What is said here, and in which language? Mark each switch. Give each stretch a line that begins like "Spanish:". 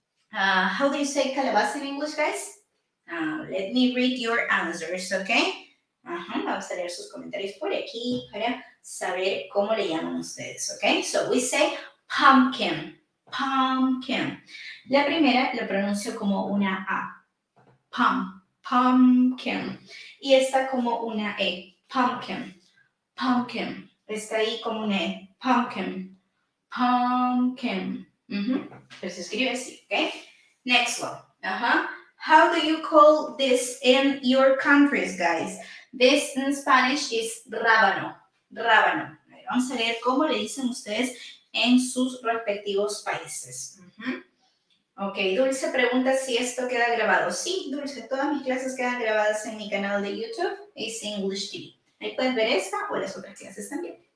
English: How do you say calabaza in English, guys? Let me read your answers, okay? Uh-huh.
Spanish: Vamos a leer sus comentarios por aquí para saber cómo le llaman ustedes, okay?
English: So we say pumpkin, pumpkin.
Spanish: La primera lo pronuncio como una A, pum, pumpkin. Y esta como una E, pumpkin, pumpkin. Está ahí como una E, pumpkin, pumpkin. Mm-hmm. Pero se escribe así, ¿ok?
English: Next one.
Spanish: Uh-huh.
English: How do you call this in your countries, guys? This in Spanish is rábano. Rábano.
Spanish: Vamos a leer cómo le dicen ustedes en sus respectivos países. Mm-hmm. Ok, Dulce pregunta si esto queda grabado. Sí, Dulce, todas mis clases quedan grabadas en mi canal de YouTube, EasyEnglish TV. Ahí puedes ver esta o las otras clases también.